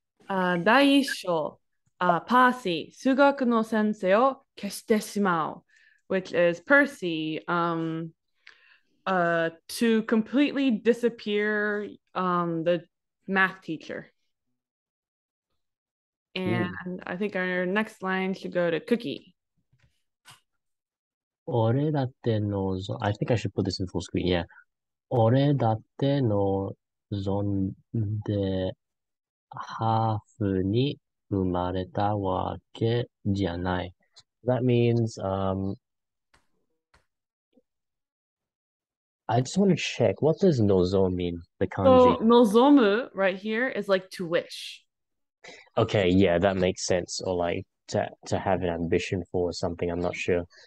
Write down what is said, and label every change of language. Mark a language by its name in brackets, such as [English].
[English] Daisho, Percy, [Japanese] Sugaku no sensei o keshite shimau, [English] which is Percy, to completely disappear the math teacher. And I think our next line should go to Cookie. [Japanese] 俺だって望、 [English] I think I should put this in full screen, yeah. [Japanese] 俺だって望んで、ハーフに生まれたわけじゃない。 [English] That means, I just want to check, what does 望む mean, the kanji? So, 望む right here is like to wish. Okay, yeah, that makes sense. Or like to have an ambition for something, I'm not sure.